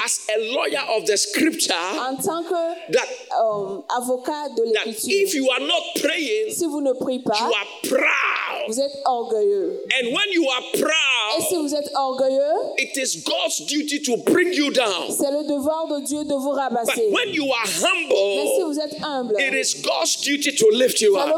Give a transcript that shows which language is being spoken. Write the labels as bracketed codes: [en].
[en] as a lawyer of the scripture, [fr] en tant que [en] that, [fr] avocat de l'écriture, [en] that if you are not praying, [fr] si vous ne priez pas, [en] you are proud. [fr] Vous êtes orgueilleux. [en] And when you are proud, [fr] et si vous êtes orgueilleux, [en] it is God's duty to bring you down. [fr] C'est le devoir de Dieu de vous rabasser. [en] But when you are humble, [fr] mais si vous êtes humble, [en] it is God's duty to lift you up.